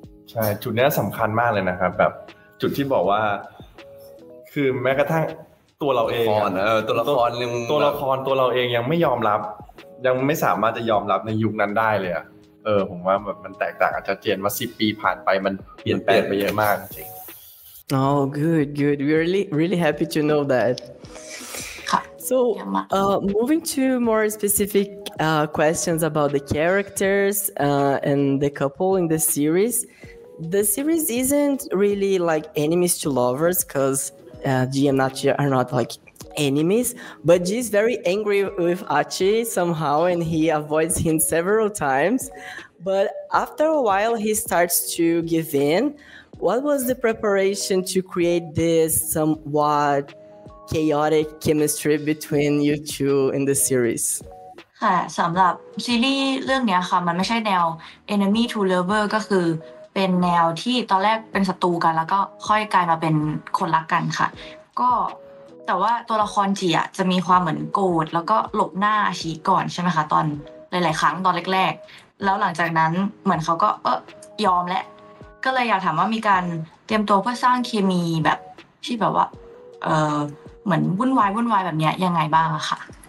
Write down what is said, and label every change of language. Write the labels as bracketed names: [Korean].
[Thai] ใช่จุดนี้สำคัญมากเลยนะครับแบบจุดที่บอกว่าคือแม้กระทั่งตัวเราเอง ตัวละคร ยังไม่ยอมรับยังไม่สามารถจะยอมรับในยุคนั้นได้เลยอ่ะผมว่าแบบมันแตกต่างชัดเจนมา10ปีผ่านไปมันเปลี่ยนแปลงไปเยอะมากจริง [English] Oh good we're really really happy to know that so moving to more specificquestions about the characters and the couple in the seriesThe series isn't really like enemies to lovers because G and Achi are not like enemies, but G is very angry with Achi somehow and he avoids him several times. But after a while, he starts to give in. What was the preparation to create this somewhat chaotic chemistry between you two in the series? [Thai] ค่ะ สำหรับซีรีส์เรื่องเนี้ยค่ะ มันไม่ใช่แนว [English] enemy to lover [Thai] ก็คือเป็นแนวที่ตอนแรกเป็นศัตรูกันแล้วก็ค่อยกลายมาเป็นคนรักกันค่ะ ก็แต่ว่าตัวละครจีอ่ะจะมีความเหมือนโกรธแล้วก็หลบหน้าชีก่อนใช่ไหมคะตอนหลายๆครั้งตอนแรกๆแล้วหลังจากนั้นเหมือนเขาก็ยอมแล้วก็เลยอยากถามว่ามีการเตรียมตัวเพื่อสร้างเคมีแบบที่แบบว่าเหมือนวุ่นวายแบบนี้ยังไงบ้างอะค่ะ